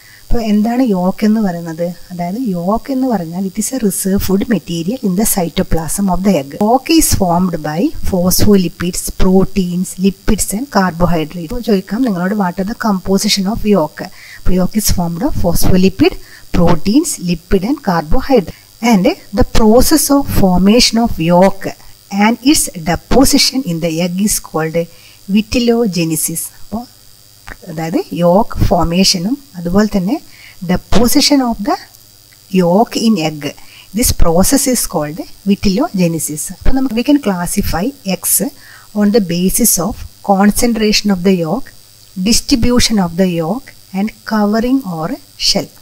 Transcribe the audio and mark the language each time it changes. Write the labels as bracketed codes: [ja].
[ml] അപ്പോൾ എന്താണ് യോക്ക് എന്ന് പറയുന്നത്? അതായത് യോക്ക് എന്ന് പറഞ്ഞാൽ [en] It is a reserve food material in the cytoplasm of the egg. Yolk is formed by phospholipids, proteins, lipids and carbohydrate. [ml] അപ്പോൾ ചോദിക്കാം നിങ്ങളോട് [en] What are the composition of yolk. അപ്പോൾ yolk is formed of phospholipid, proteins, lipid and carbohydrate. And the process of formation of yolk and its deposition in the egg is called vitellogenesis. [ml] അപ്പോൾ അതായത് yoke ഫോർമേഷനും അതുപോലെ തന്നെ [en] Deposition of the yolk in egg, this process is called vitellogenesis. [ml] അപ്പോൾ നമുക്ക് [en] We can classify eggs on the basis of concentration of the yolk, distribution of the yolk and covering or shell.